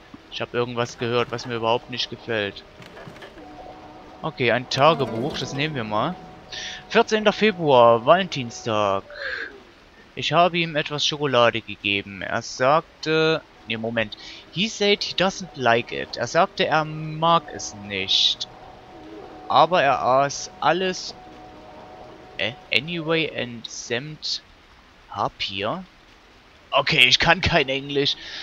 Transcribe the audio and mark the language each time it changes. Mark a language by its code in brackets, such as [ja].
[de] Ich habe irgendwas gehört, was mir überhaupt nicht gefällt. Okay, ein Tagebuch, das nehmen wir mal. 14. Februar, Valentinstag. Ich habe ihm etwas Schokolade gegeben. Er sagte... Nee, Moment. [en] He said he doesn't like it. [de] Er sagte, er mag es nicht. Aber er aß alles... [en] anyway and seemed happier. [de] Okay, ich kann kein Englisch.